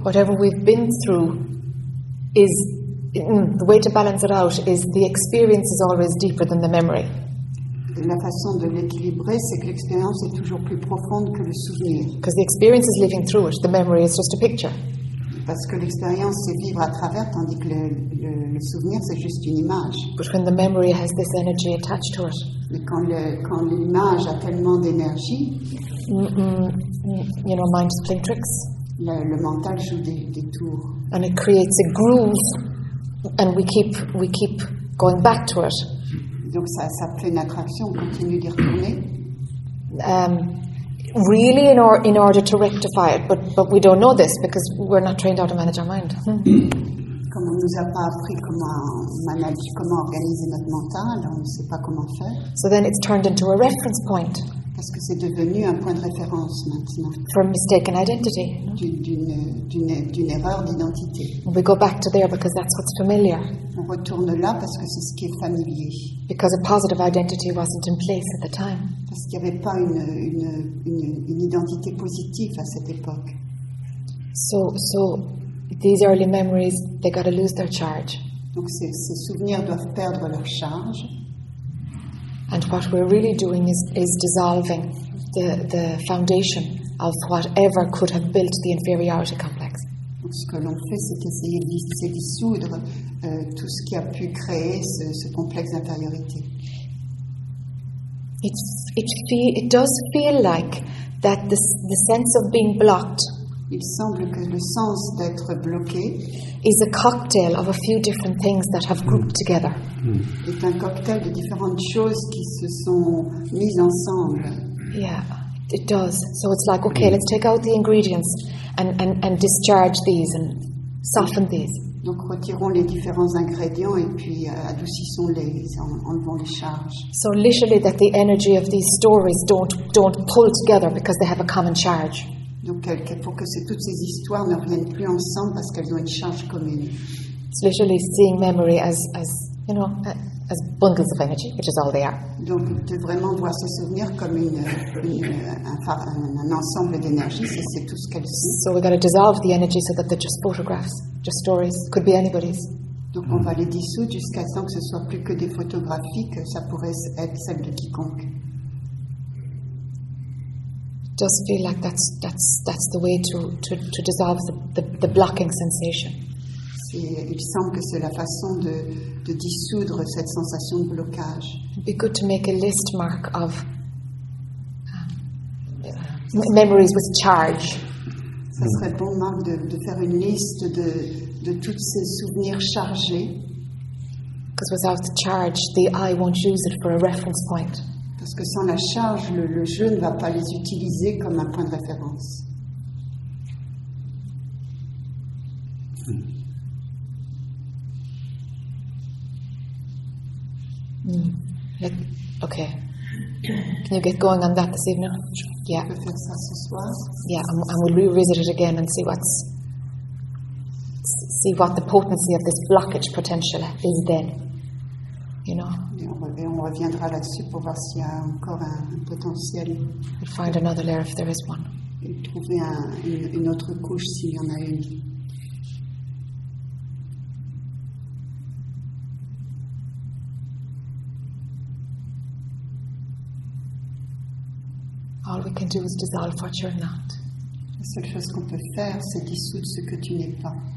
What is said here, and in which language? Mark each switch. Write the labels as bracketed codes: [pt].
[en] Whatever we've been through is the way to balance it out is the experience is always deeper than the memory. [fr] La façon de l'équilibrer, c'est que l'expérience est toujours plus profonde que le souvenir. [en] Because the experience is living through it, the memory is just a picture. [fr] Parce que l'expérience c'est vivre à travers, tandis que le souvenir c'est juste une image. [en] But when the memory has this energy attached to it. [fr] Mais quand l'image a tellement d'énergie. [en] You know, mind is playing tricks. [fr] Le mental joue des tours. [en] And it creates a groove, and we keep going back to it. [fr] Donc ça crée une attraction, on continue d'y retourner. [en] Really, in order to rectify it, but we don't know this because we're not trained how to manage our mind. [fr] Comme on nous a pas appris comment organiser notre mental, on ne sait pas comment faire. [en] So then it's turned into a reference point. [fr] Parce que c'est devenu un point de référence maintenant. [en] For mistaken identity. [fr] D'une erreur d'identité. [en] We go back to there because that's what's familiar. [fr] On retourne là parce que c'est ce qui est familier. [en] Because a positive identity wasn't in place at the time. [fr] Parce qu'il n'y avait pas une identité positive à cette époque. [en] So these early memories, they got to lose their charge. [fr] Donc ces souvenirs doivent perdre leur charge. [en] And what we're really doing is dissolving the foundation of whatever could have built the inferiority complex. [fr] Ce que l'on fait, c'est essayer de dissoudre tout ce qui a pu créer ce complexe d'infériorité. [en] It does feel like that the sense of being blocked. [fr] Il semble que le sens d'être bloqué. [en] Is a cocktail of a few different things that have grouped together. [fr] C'est un cocktail de différentes choses qui se sont mises ensemble. [en] Yeah, it does. So it's like, okay, let's take out the ingredients and discharge these and soften these. [fr] Donc retirons les différents ingrédients et puis adoucissons-les, enlevons les charges. [en] So literally, that the energy of these stories don't pull together because they have a common charge. [fr] Donc pour que toutes ces histoires ne reviennent plus ensemble parce qu'elles ont une charge commune. [en] It's literally seeing memory as bundles of energy, which is all they are. [fr] Donc de vraiment voir ces souvenirs comme un ensemble d'énergie, c'est tout ce qu'elles sont. [en] So we're going to dissolve the energy so that they're just photographs, just stories, could be anybody's. [fr] Donc on va les dissoudre jusqu'à temps que ce soit plus que des photographies, que ça pourrait être celle de quiconque. [en] Just feel like that's the way to dissolve the blocking sensation. [fr] Il semble que c'est la façon de dissoudre cette sensation de blocage. [en] It'd be good to make a list mark of memories with charge. [fr] Ça serait bon Marc de faire une liste de toutes ces souvenirs chargés. [en] Because without the charge, the eye won't use it for a reference point. [fr] Parce que sans la charge, le jeu ne va pas les utiliser comme un point de référence. [en] Okay. Can you get going on that this evening? Sure. Yeah. [fr] On peut faire ça ce soir. [en] Yeah, and we'll revisit it again and see what the potency of this blockage potential is then. You know. [fr] On reviendra là-dessus pour voir s'il y a encore un potentiel. [en] We'll find another layer if there is one. [fr] Et trouver une autre couche s'il y en a une. [en] All we can do is dissolve what you're not. [fr] La seule chose qu'on peut faire, c'est dissoudre ce que tu n'es pas.